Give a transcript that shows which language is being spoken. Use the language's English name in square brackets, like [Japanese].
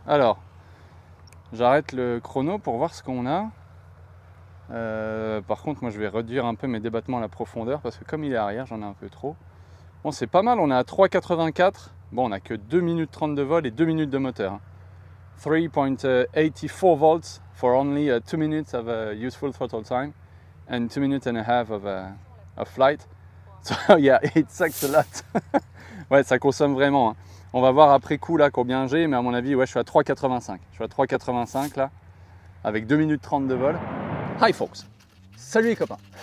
[French] Alors, j'arrête le chrono pour voir ce qu'on a. Par contre, moi je vais réduire un peu mes débattements à la profondeur parce que comme il est arrière, j'en ai un peu trop. Bon, c'est pas mal, on est à 3,84 Bon, on a que 2 minutes 30 de vol et 2 minutes de moteur. [English] 3.84 volts for only 2 minutes of useful throttle time and 2 minutes and a half of flight. So yeah, it sucks a lot. [French] Ouais, ça consomme vraiment. Hein. On va voir après coup là combien j'ai, mais à mon avis, ouais, je suis à 3,85. Je suis à 3,85 là, avec 2 minutes 30 de vol. [English] Hi folks. [French] Salut les copains.